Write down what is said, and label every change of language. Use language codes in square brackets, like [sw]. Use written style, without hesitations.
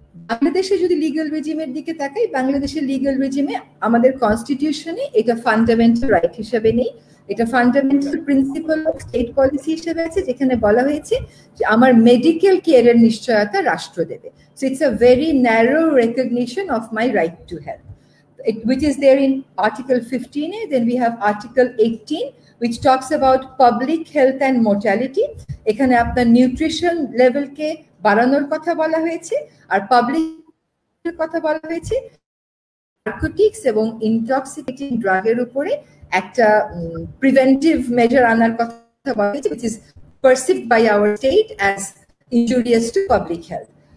[bn] বাংলাদেশে যদি লিগাল রেজিমের দিকে তাকাই বাংলাদেশের লিগাল রেজিমে আমাদের কনস্টিটিউশনে এটা ফান্ডামেন্টাল রাইট হিসেবে নেই এটা fundamental principal of state policy হিসেবে আছে যেখানে বলা হয়েছে যে আমার মেডিকেল কেয়ারের নিশ্চয়তা রাষ্ট্র দেবে [en] So it's a very narrow recognition of my right to health which is there in Article 15A. Then we have Article 18, which talks about public health and mortality. [bn] এখানে আপনার nutrition level কে বাড়ানোর কথা বলা হয়েছে আর public কথা বলা হয়েছে narcotics এবং intoxicating drug এর উপরে একটা preventive measure আনার কথা বলা হয়েছে, [en] which is perceived by our state as injurious to public health.